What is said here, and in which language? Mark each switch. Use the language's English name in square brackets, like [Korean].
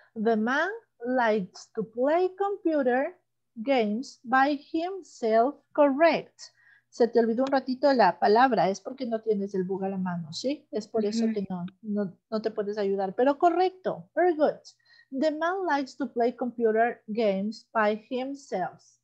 [English] The man likes to play computer games by himself. Correct. [Spanish] Se te olvidó un ratito la palabra. Es porque no tienes el bug a la mano, ¿sí? Es por eso que no te puedes ayudar. Pero correcto. [English] Very good. The man likes to play computer games by himself.